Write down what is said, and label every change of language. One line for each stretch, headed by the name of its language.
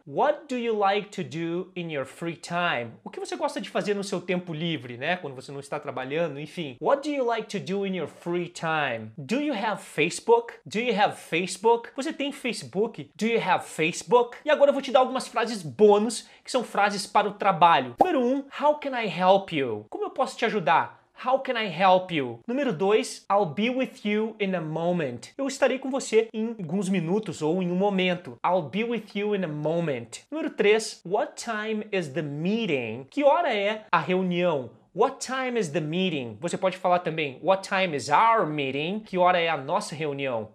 English: What do you like to do in your free time?
Portuguese: O que você gosta de fazer no seu tempo livre, né? Quando você não está trabalhando, enfim.
English: What do you like to do in your free time? Do you have Facebook? Do you have Facebook?
Portuguese: Você tem Facebook?
English: Do you have Facebook?
Portuguese: E agora eu vou te dar algumas frases bônus, que são frases para o trabalho. Número 1.
English: How can I help you?
Portuguese: Como eu posso te ajudar?
English: How can I help you?
Portuguese: Número 2,
English: I'll be with you in a moment.
Portuguese: Eu estarei com você em alguns minutos ou em um momento.
English: I'll be with you in a moment.
Portuguese: Número 3,
English: what time is the meeting?
Portuguese: Que hora é a reunião?
English: What time is the meeting?
Portuguese: Você pode falar também,
English: what time is our meeting?
Portuguese: Que hora é a nossa reunião?